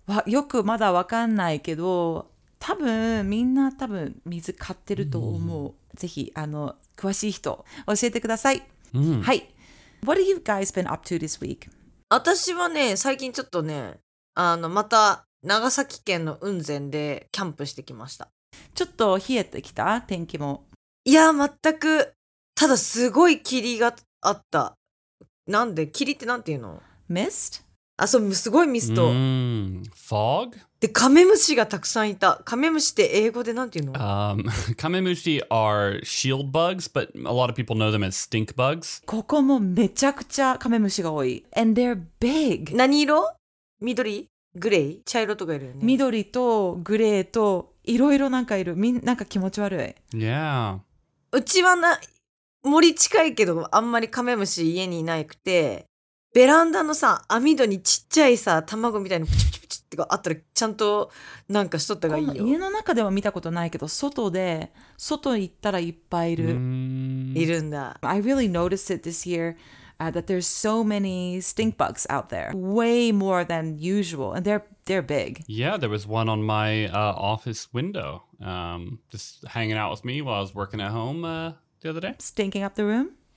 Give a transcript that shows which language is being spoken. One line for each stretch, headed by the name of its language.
Japanese: よくまだわかんないけど、多分みんな多分水買ってると思う。 Mm. ぜひあの詳しい人教えてください。 Mm. はい。
English: What have you guys been up to this week?
Japanese: 私はね、最近ちょっとね、あのまた長崎県の雲仙でキャンプしてきました。ちょっと冷えてきた？天気も。いや、全く。ただすごい霧があった。なんで？霧ってなんていうの？
English: Mist?
Japanese: あ、そう、すごいミスト。
English: Fog?
Japanese: で、カメムシがたくさんいた。カメムシって英語でなんていうの？
English: カメムシ are shield bugs, but a lot of people know them as stink bugs.
Japanese: ここもめちゃくちゃカメムシが多い。
English: And they're big.
Japanese: 何色？緑？グレー？茶色とかいるよね。緑とグレーと、いろいろなんかいる。なんか気持ち悪い。
English: Yeah.
Japanese: うちはな、森近いけど、あんまりカメムシ家にいなくて、ベランダのさ、網戸にちっちゃいさ、卵みたいにプチプチプチってあったら、ちゃんとなんかしとったがいいよ。家の中では見たことないけど、外行ったらいっぱいいる。いるんだ。
English: I really noticed it this year, that there's so many stink bugs out there. Way more than usual. And they're they're big. Yeah, there was one on my office window, just hanging out with me while I was working at home the other day. Stinking up the room?